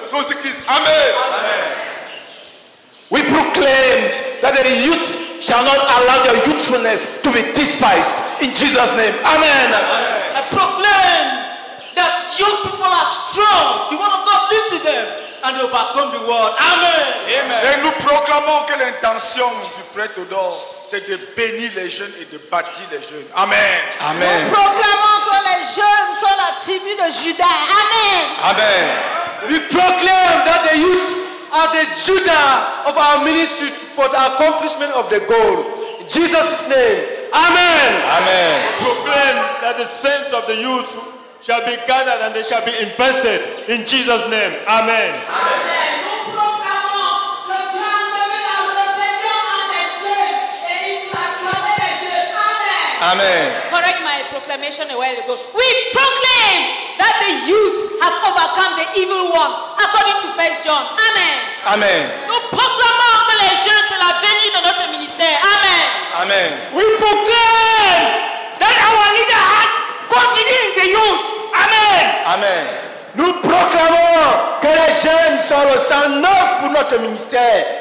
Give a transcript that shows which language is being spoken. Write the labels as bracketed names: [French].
[French] Nous disons amen. Amen. [English] We proclaim that the youth shall not allow their youthfulness to be despised. In Jesus' name. Amen. Amen. I proclaim that young people are strong. The word of God lives in them and they overcome the world. Amen. Amen. [French] Et nous proclamons que l'intention du frère Théodore, c'est de bénir les jeunes et de bâtir les jeunes. Amen. Amen. Nous proclamons que les jeunes sont la tribu de Judas. Amen. Amen. [English] We proclaim that the youth are the Judah of our ministry for the accomplishment of the goal. In Jesus' name. Amen. Amen. We proclaim that the saints of the youth shall be gathered and they shall be invested in Jesus' name. Amen. Amen. Correct my proclamation a while ago. We proclaim that the youth have overcome the evil one according to 1 John. Amen. Amen. [French] Nous proclamons que les jeunes sont la venue de notre ministère. Amen. Amen. [English] We proclaim that our leader has confidence in the youth. Amen. Amen. [French] Nous proclamons que les jeunes sont le sang neuf pour notre ministère.